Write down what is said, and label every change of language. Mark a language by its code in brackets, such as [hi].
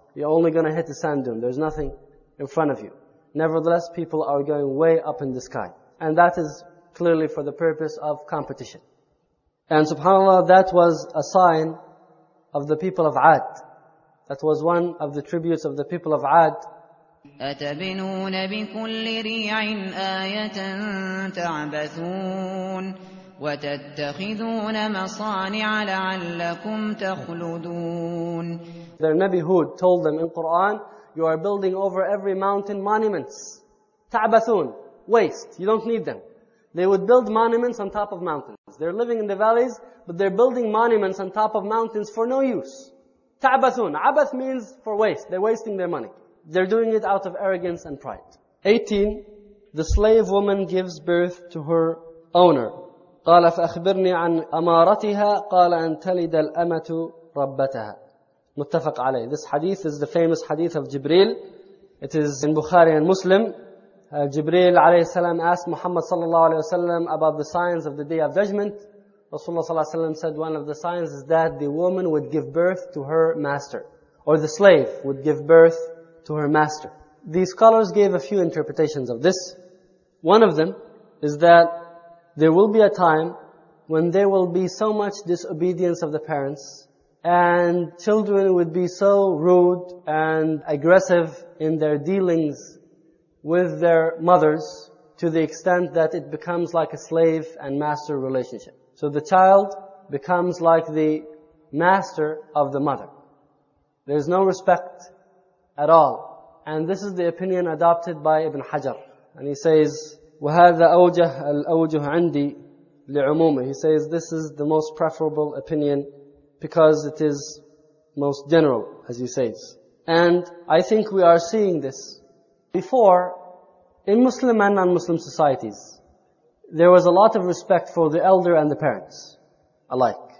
[en] You're only gonna hit the sand dune. There's nothing in front of you. Nevertheless, people are going way up in the sky. And that is clearly for the purpose of competition. And subhanAllah, that was a sign of the people of Ad. That was one of the tributes of the people of Ad, [ar] أتبنون بكل ريع آية تعبثون وتتخذون مصانع لعلكم تخلدون. [en] Their Nabi Hud told them in Quran, you are building over every mountain monuments. تعبثون, waste, you don't need them. They would build monuments on top of mountains. They're living in the valleys, but they're building monuments on top of mountains for no use. تعبثون, عبث means for waste, they're wasting their money. They're doing it out of arrogance and pride. 18, the slave woman gives birth to her owner. [ar] قال فأخبرني عن أمارتها قال أن تلد الأمة ربتها. متفق عليه. [en] This hadith is the famous hadith of Jibreel. It is in Bukhari and Muslim. Jibreel [ar] عليه السلام [en] asked Muhammad [ar] صلى الله عليه وسلم [en] about the signs of the Day of Judgment. Rasulullah [ar] صلى الله عليه وسلم [en] said one of the signs is that the woman would give birth to her master, or the slave would give birth to her master. The scholars gave a few interpretations of this. One of them is that there will be a time when there will be so much disobedience of the parents and children would be so rude and aggressive in their dealings with their mothers to the extent that it becomes like a slave and master relationship. So the child becomes like the master of the mother. There's no respect at all. And this is the opinion adopted by Ibn Hajar. And he says, [ar] وَهَذَا أَوْجَهَ الْأَوْجُهُ عَنْدِي لِعُمُومِ. [en] He says, this is the most preferable opinion because it is most general, as he says. And I think we are seeing this. Before, in Muslim and non-Muslim societies, there was a lot of respect for the elder and the parents alike.